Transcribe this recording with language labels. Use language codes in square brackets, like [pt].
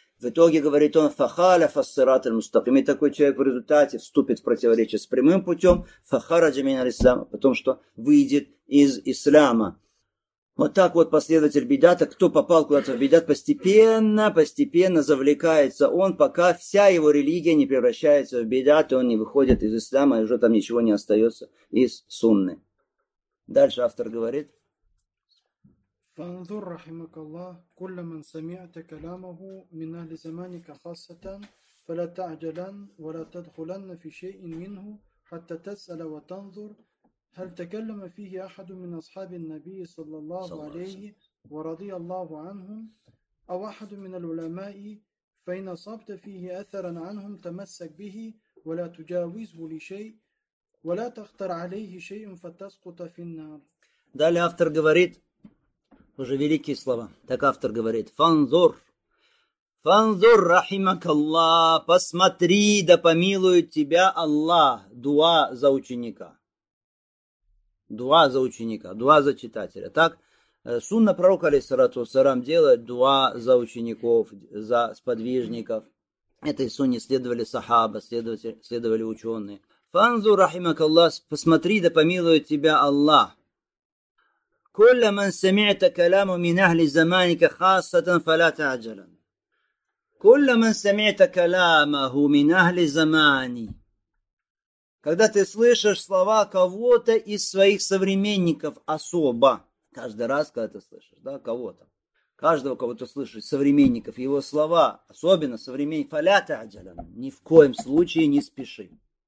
[ru] В итоге, говорит он, [ar] фахаля фассират аль-мустаким. [ru] И такой человек в результате вступит в противоречие с прямым путем, [ar] фахараджа мин аль-ислама, [ru] потому что выйдет из ислама. Вот так вот последователь бидата, кто попал куда-то в бидат, постепенно завлекается он, пока вся его религия не превращается в бидат, и он не выходит из ислама, и уже там ничего не остается из сунны. Дальше автор говорит. [ar] فانظر رحمك الله كل من سمعت كلامه من أهل زمانك خاصة فلا تعجلن ولا تدخلن في شيء منه حتى تسأل وتنظر هل تكلم فيه أحد من أصحاب النبي صلى الله عليه ورضي الله عنهم أو أحد من العلماء فإن أصبت فيه أثرا عنهم تمسك به ولا تجاوزه لشيء ولا تختر عليه شيء فتسقط في النار. [ru] Далее автор говорит. Уже великие слова. Так автор говорит. Фанзур. [ar] Фанзур, рахимак Аллах. [ru] Посмотри, да помилует тебя Аллах. Дуа за ученика. Дуа за ученика. Дуа за читателя. Так сунна пророка, алейхиссалату вассалям, делает дуа за учеников, за сподвижников. Этой сунне следовали сахаба, следовали ученые. [ar] Фанзур, рахимак Аллах. [ru] Посмотри, да помилует тебя Аллах. [ar] كل من سمعت كلامه من أهل زمانك خاصة فلا تعجلا. كل من سمعت كلامه من أهل زماني. [ru] Когда ты слышишь слова кого-то из своих современников особо, каждый раз, когда ты слышишь, да, кого-то, каждого, кого ты слышишь, современников, его слова, особенно современников, [ar] فلا تعجلا, [ru] ни в коем случае не спеши.